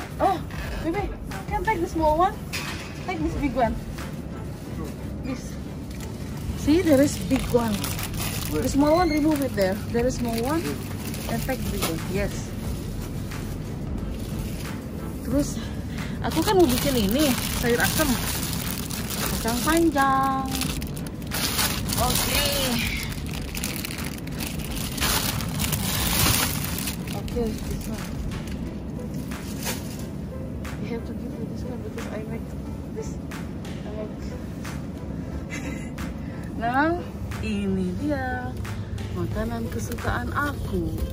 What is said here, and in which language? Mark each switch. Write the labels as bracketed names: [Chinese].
[English] Oh, Bibi, can take the small one? Take this big one. This. See, there is big one. The small one, remove it there. There is small one. And take the big one. Yes. [Indonesian] Terus aku kan mau bikin ini sayur asem kacang panjang. [English] Okay. This one. You have to give me this one because I make this. [Indonesian] Now ini dia makanan kesukaan aku.